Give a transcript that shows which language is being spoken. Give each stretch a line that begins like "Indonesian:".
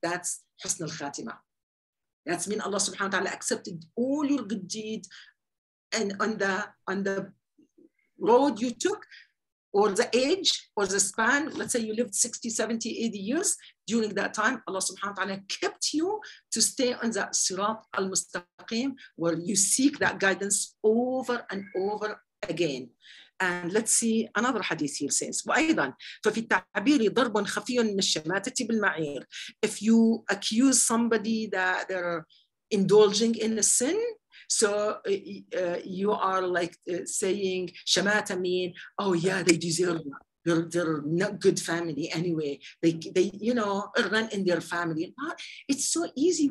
English: That's husn al-khatima. That's mean Allah subhanahu wa ta'ala accepted all your good deeds and on the road you took, or the age, or the span. Let's say you lived 60, 70, 80 years. During that time, Allah subhanahu wa ta'ala kept you to stay on that Sirat al-Mustaqim, where you seek that guidance over and over again. And let's see another hadith here says,
Arabic: وَأَيْضًا فَفِي التَّعْبِيرِ ضَرْبٌ خَفِيٌ مِنَ الشَّمَاتَةِ بِالْمَعِيرِ.
English: If you accuse somebody that they're indulging in a sin, so you are like saying shamata mean, oh yeah, they deserve that. They're not good family anyway. They you know, run in their family. It's so easy.